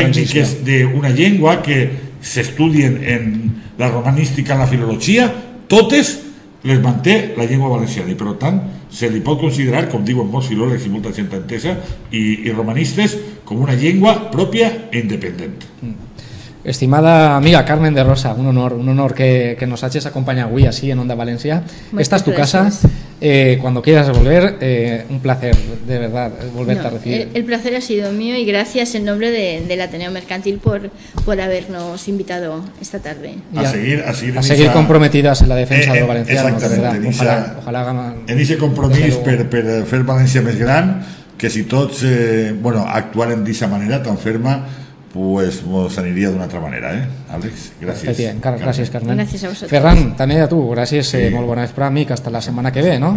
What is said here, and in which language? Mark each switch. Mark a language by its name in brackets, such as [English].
[Catalan] tècniques d'una llengua que s'estudien en la romanística, en la filologia, totes les manté la llengua valenciana. I, per tant, se li pot considerar, com diuen molts filòlegs i molta gent entesa, i romanistes, com una llengua pròpia i independent. Estimada amiga Carmen de Rosa, un honor que nos hagis acompanyat avui així en Onda València. [Spanish] Esta es tu casa, cuando quieras volver, un placer, de verdad, volverte a recibir. El placer ha sido mío y gracias en nombre del Ateneo Mercantil por habernos invitado esta tarde. A seguir comprometidas en la defensa de los valencianos. Exactamente, ¿verdad? Ojalá hagan... En ese [Catalan] compromís per fer València més gran, que si tots actuaren d'aquesta manera tan ferma, pues nos aniría [Spanish] de una otra manera, [Catalan] ¿eh? [Spanish] Alex, gracias. Gracias, Carmen. Gracias a vosotros. [Catalan] Ferran, també a tu, gràcies, sí. Molt bona vesprà, amic, hasta la setmana que ve, ¿no?